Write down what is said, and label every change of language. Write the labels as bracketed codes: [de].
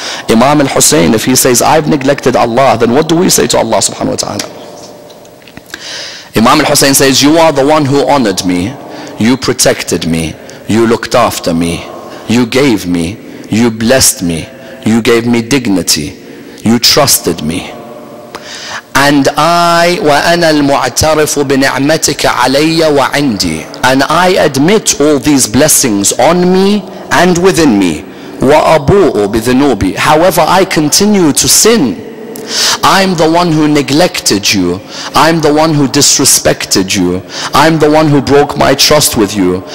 [en] Imam al-Hussein, if he says, I've neglected Allah, then what do we say to Allah subhanahu wa ta'ala? Imam al-Hussein says, you are the one who honored me, you protected me, you looked after me, you gave me, you blessed me, you gave me dignity, you trusted me. And I, [ar] وَأَنَا الْمُعْتَرِفُ بِنِعْمَتِكَ عَلَيَّ وَعِنْدِي. [en] And I admit all these blessings on me and within me. [ar] وَأَبُوءُ بِذِنُوبِي. [en] However, I continue to sin. I'm the one who neglected you. I'm the one who disrespected you. I'm the one who broke my trust with you.